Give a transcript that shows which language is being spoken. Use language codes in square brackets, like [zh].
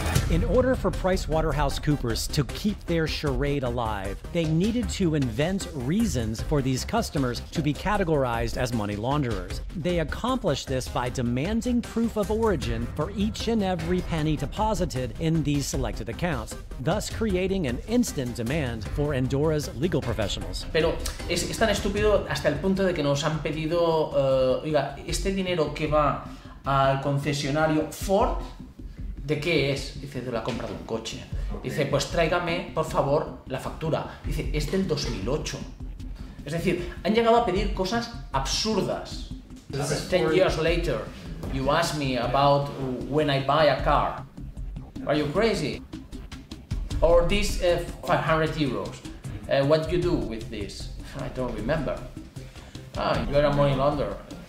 [en] In order for PricewaterhouseCoopers to keep their charade alive, they needed to invent reasons for these customers to be categorized as money launderers. They accomplished this by demanding proof of origin for each and every penny deposited in these selected accounts, thus creating an instant demand for Andorra's legal professionals. [es] Pero es tan estúpido hasta el punto de que nos han pedido, oiga, este dinero que va al concesionario Ford, ¿de qué es? Dice, de la compra de un coche. Okay. Dice, pues tráigame, por favor, la factura. Dice, es del 2008. Es decir, han llegado a pedir cosas absurdas. [en] 10 years later, you ask me about when I buy a car. Are you crazy? Or this 500 euros. What do you do with this? I don't remember. Ah, you're a money launderer.